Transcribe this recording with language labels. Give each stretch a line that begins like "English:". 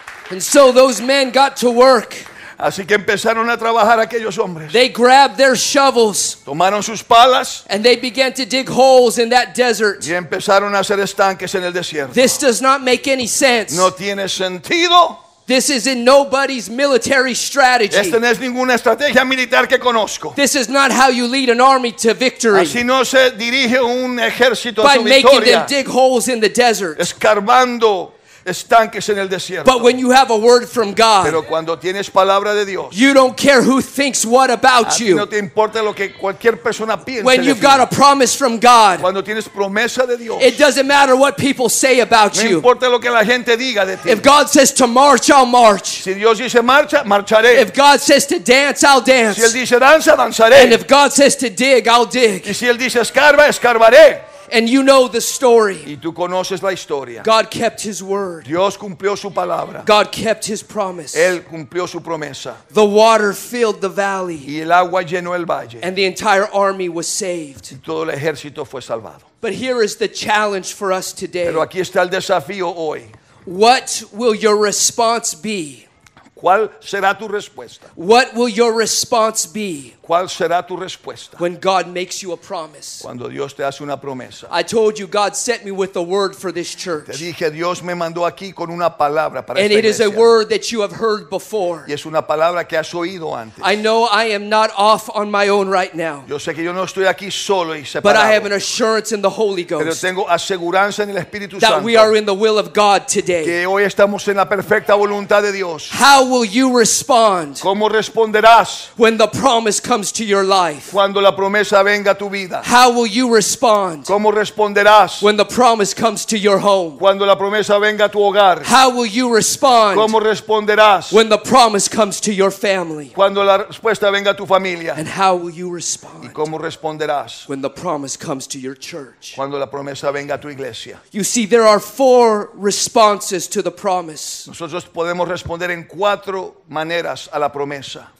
English: And so those men got to work.
Spanish: Así que empezaron a trabajar aquellos hombres.
English: They grabbed their shovels.
Spanish: Tomaron sus palas.
English: And they began to dig holes in that desert.
Spanish: Y empezaron a hacer estanques en el desierto.
English: This does not make any sense.
Spanish: No tiene sentido.
English: This is in nobody's military strategy.
Spanish: Esta no es ninguna estrategia militar que conozco.
English: This is not how you lead an army to victory.
Spanish: Así no se dirige un ejército a su victoria.
English: By making them dig holes in the desert.
Spanish: Escarbando. Estanques en el desierto.
English: But when you have a word from God,
Spanish: pero cuando tienes palabra de Dios,
English: you don't care who thinks what about you.
Spanish: A ti no te importa lo que cualquier persona piense.
English: When you've got a promise from God,
Spanish: cuando tienes promesa de Dios,
English: it doesn't matter what people say about you.
Spanish: No importa lo que la gente diga de ti.
English: If God says to march, I'll march.
Spanish: Si Dios dice marcha, marcharé.
English: If God says to dance, I'll dance.
Spanish: Si él dice danza, danzaré.
English: And if God says to dig, I'll dig.
Spanish: Y si él dice escarba, escarbaré.
English: And you know the story.
Spanish: Y tú conoces la historia.
English: God kept his word.
Spanish: Dios cumplió su palabra.
English: God kept his promise.
Spanish: Él cumplió su promesa.
English: The water filled the valley.
Spanish: Y el agua llenó el valle.
English: And the entire army was saved.
Spanish: Y todo el ejército fue salvado.
English: But here is the challenge for us today.
Spanish: Pero aquí está el desafío hoy.
English: What will your response be?
Spanish: ¿Cuál será tu respuesta?
English: What will your response be?
Spanish: ¿Cuál será tu respuesta?
English: When God makes you a promise.
Spanish: Cuando Dios te hace una promesa.
English: I told you God sent me with a word for this church.
Spanish: Te dije, Dios me mandó aquí con una palabra para esta iglesia.
English: And it is a word that you have heard before.
Spanish: Y es una palabra que has oído antes.
English: I know I am not off on my own right now.
Spanish: Yo sé que yo no estoy aquí solo y separado.
English: But I have an assurance in the Holy Ghost.
Spanish: Pero tengo aseguranza en el Espíritu Santo.
English: That we are in the will of God today.
Spanish: Que hoy estamos en la perfecta voluntad de Dios.
English: How will you respond?
Spanish: ¿Cómo responderás?
English: When the promise comes to your life.
Spanish: Cuando la promesa venga a tu vida.
English: How will you respond?
Spanish: ¿Cómo responderás?
English: When the promise comes to your home.
Spanish: Cuando la promesa venga a tu hogar.
English: How will you respond?
Spanish: ¿Cómo responderás?
English: When the promise comes to your family.
Spanish: Cuando la respuesta venga a tu familia.
English: And how will you respond?
Spanish: ¿Y cómo responderás?
English: When the promise comes to your church.
Spanish: Cuando la promesa venga a tu iglesia.
English: You see, there are four responses to the promise.
Spanish: Nosotros podemos responder en cuatro maneras a la promesa.